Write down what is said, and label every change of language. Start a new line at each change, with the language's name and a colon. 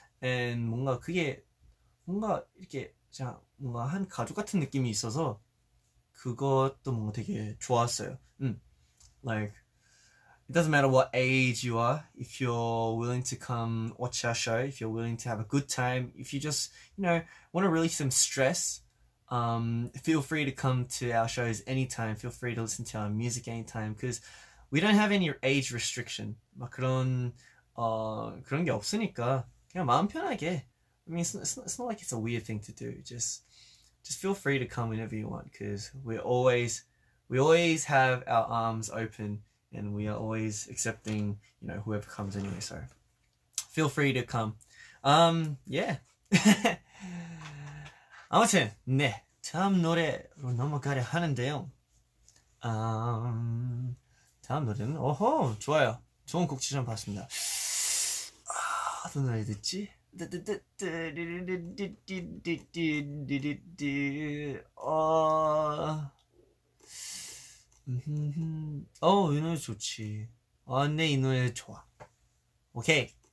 Korean: And 뭔가 그게 뭔가 이렇게 자 뭔가 한 가족 같은 느낌이 있어서 그것도 뭔가 되게 좋았어요.
English: Like it doesn't matter what age you are, if you're willing to come watch our show, if you're willing to have a good time, if you just, you know, want to relieve some stress, feel free to come to our shows anytime, feel free to listen to our music anytime, because we don't have any age restriction.
Korean: 막 그런, 그런 게 없으니까 그냥 마음 편하게.
English: I mean, it's not like it's a weird thing to do. Just feel free to come whenever you want, because we always have our arms open. And we are always accepting, you know, whoever comes anyway, so feel free to come. Yeah.
Korean: 아무튼, 네, 다음 노래로 넘어가려 하는데요. 다음 노래는, 오호, 좋아요. 좋은 곡 추천 받았습니다. 아, 어떤 노래 듣지? 이 노래 좋지. 네, 이 노래 좋아. 오케이.